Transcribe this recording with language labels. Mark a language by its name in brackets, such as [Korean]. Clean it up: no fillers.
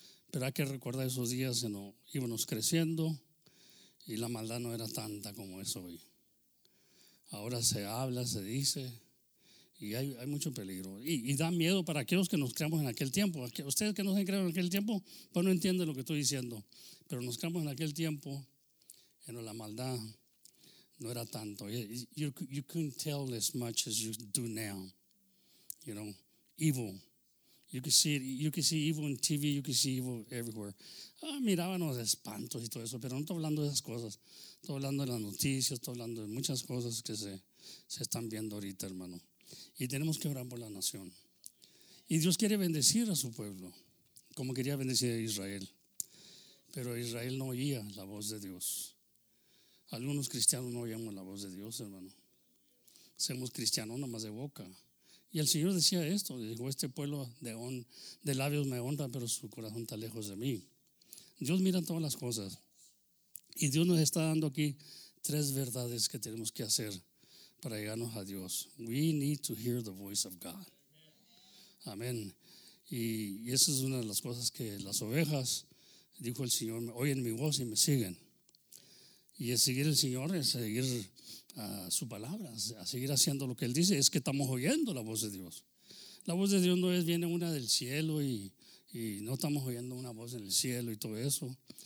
[Spanish] Pero hay que recordar esos días en los íbamos creciendo y la maldad no era tanta como es hoy. Ahora se habla, se dice y hay mucho peligro. Y da miedo para aquellos que nos creamos en aquel tiempo. Ustedes que no se creen en aquel tiempo, pues no entienden lo que estoy diciendo. Pero nos creamos en aquel tiempo en la maldad. No era tanto. [English] You couldn't tell as much as you do now. You know, evil. You could see evil on TV. You could see evil everywhere. [Spanish] Ah, mirábamos espantos y todo eso, pero no estoy hablando de esas cosas. Estoy hablando de las noticias, estoy hablando de muchas cosas que se están viendo ahorita, hermano. Y tenemos que orar por la nación. Y Dios quiere bendecir a su pueblo, como quería bendecir a Israel. Pero Israel no oía la voz de Dios. Algunos cristianos no oíamos la voz de Dios, hermano. Somos cristianos nomás de boca. Y el Señor decía esto, dijo, este pueblo de labios me honra, pero su corazón está lejos de mí. Dios mira todas las cosas. Y Dios nos está dando aquí tres verdades que tenemos que hacer para llegarnos a Dios. [English] We need to hear the voice of God. [Spanish] Amén. Y esa es una de las cosas que las ovejas, dijo el Señor, oyen mi voz y me siguen. Y es seguir el Señor, es seguir a su palabra, a seguir haciendo lo que Él dice, es que estamos oyendo la voz de Dios. La voz de Dios no es, viene una del cielo y no estamos oyendo una voz en el cielo y todo eso.